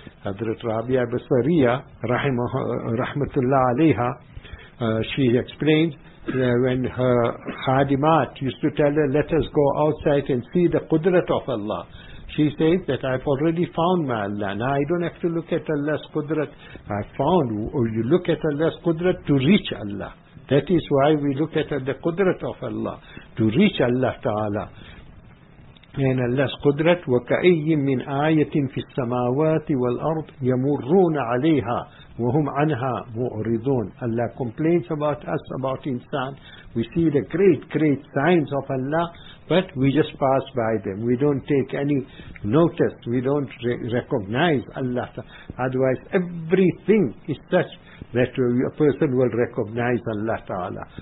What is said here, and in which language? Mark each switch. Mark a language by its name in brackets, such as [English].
[English] Hazrat Rabia Basariya, Rahmatullah Alayha, she explains when her Khadimat used to tell her, let us go outside and see the Qudrat of Allah. She says that I've already found my Allah. Now I don't have to look at Allah's Qudrat. I found, or you look at Allah's Qudrat to reach Allah. That is why we look at the Qudrat of Allah, to reach Allah Ta'ala. [Arabic] And Allah's Qudrat, وَكَأَيِّمْ مِنْ آيَةٍ فِي السَّمَاوَاتِ وَالْأَرْضِ يَمُرُّونَ عَلَيْهَا وَهُمْ عَنْهَا مُعْرِضُونَ. [English] Allah complains about us, about insan. We see the great, great signs of Allah, but we just pass by them. We don't take any notice. We don't recognize Allah. Otherwise, everything is such that a person will recognize Allah Ta'ala.